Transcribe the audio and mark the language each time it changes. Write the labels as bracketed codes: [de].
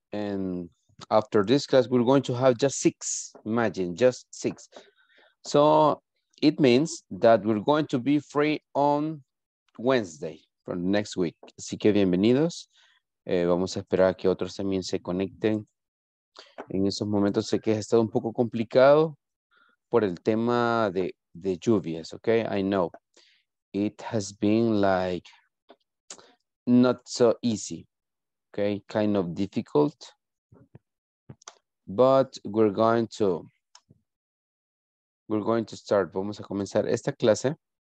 [en] And after this class, we're going to have just six. Imagine, just six. So it means that we're going to be free on Wednesday for next week. [es] Así que bienvenidos. Vamos a esperar a que otros también se conecten. En esos momentos sé que ha estado un poco complicado por el tema de lluvias, okay? [en] I know it has been like not so easy, okay? Kind of difficult, but we're going to start. [es] Vamos a comenzar esta clase.